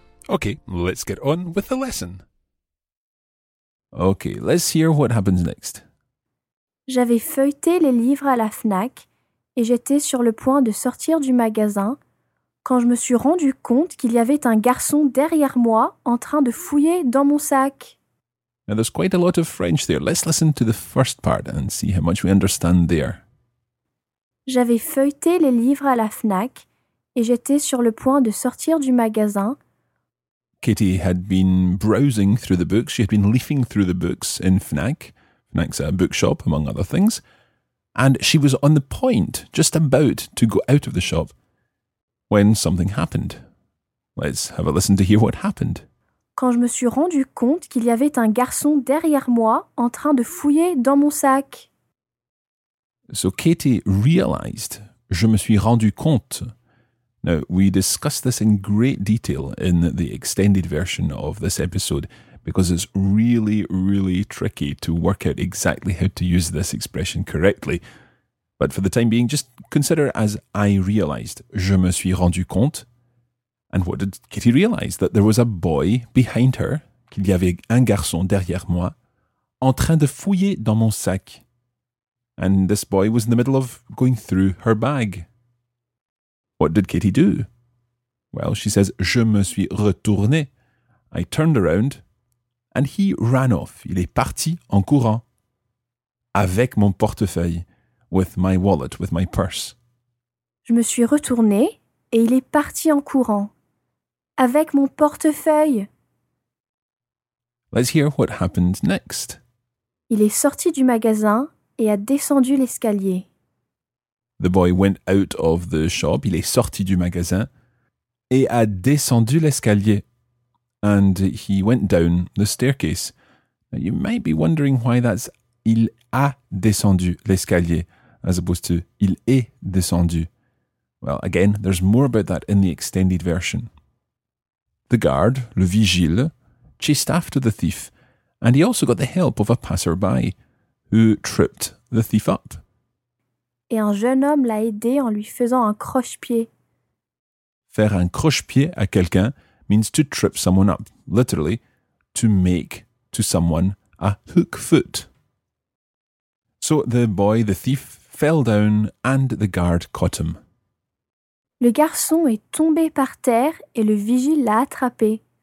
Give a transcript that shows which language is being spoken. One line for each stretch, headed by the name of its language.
English: Okay, let's get on with the lesson. Okay, let's hear what happens next.
French: J'avais feuilleté les livres à la FNAC et j'étais sur le point de sortir du magasin quand je me suis rendu compte qu'il y avait un garçon derrière moi en train de fouiller dans mon sac.
English: Now there's quite a lot of French there. Let's listen to the first part and see how much we understand there.
French: J'avais feuilleté les livres à la FNAC et j'étais sur le point de sortir du magasin.
English: Kitty had been browsing through the books. She had been leafing through the books in FNAC. FNAC's a bookshop, among other things. And she was on the point, just about, to go out of the shop when something happened. Let's have a listen to hear what happened.
French: Quand je me suis rendu compte qu'il y avait un garçon derrière moi en train de fouiller dans mon sac.
English: So Kitty realized,
French: je me suis rendu compte.
English: Now, we discussed this in great detail in the extended version of this episode because it's really, really tricky to work out exactly how to use this expression correctly. But for the time being, just consider it as I realized.
French: Je me suis rendu compte.
English: And what did Kitty realize? That there was a boy behind her,
French: qu'il y avait un garçon derrière moi, en train de fouiller dans mon sac.
English: And this boy was in the middle of going through her bag. What did Kitty do? Well, she says,
French: je me suis retourné.
English: I turned around and he ran off.
French: Il est parti en courant avec mon portefeuille,
English: with my wallet, with my purse.
French: Je me suis retourné et il est parti en courant avec mon portefeuille.
English: Let's hear what happened next.
French: Il est sorti du magasin et a descendu l'escalier.
English: The boy went out of the shop,
French: il est sorti du magasin, et a descendu l'escalier.
English: And he went down the staircase. Now you might be wondering why that's
French: il a descendu l'escalier,
English: as opposed to
French: il est descendu.
English: Well, again, there's more about that in the extended version. The guard,
French: le vigile,
English: chased after the thief, and he also got the help of a passerby who tripped the thief up.
French: Et un jeune homme l'a aidé en lui faisant un croche-pied. Faire un croche-pied à quelqu'un
English: means to trip someone up. Literally, to make to someone a hook foot. So the boy, the thief, fell down and the guard caught him.
French: Le garçon est tombé par terre et le vigile l'a attrapé.